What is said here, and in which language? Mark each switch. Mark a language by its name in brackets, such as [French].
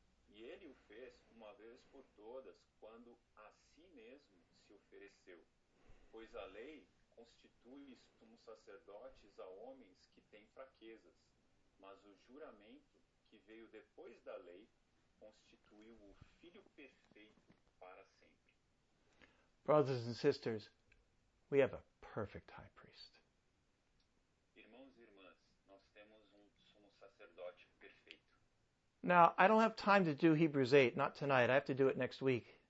[Portuguese] E ele o fez uma vez por todas quando a si mesmo se ofereceu. Pois a lei constitui como sacerdotes a homens que têm fraquezas, mas o juramento que veio depois da lei constituiu o Filho perfeito para sempre. [English] Brothers and sisters, we have a perfect high priest. [Portuguese] Irmãos e irmãs, nós temos sumo sacerdote perfeito. [English] Now, I don't have time to do Hebrews 8, not tonight. I have to do it next week.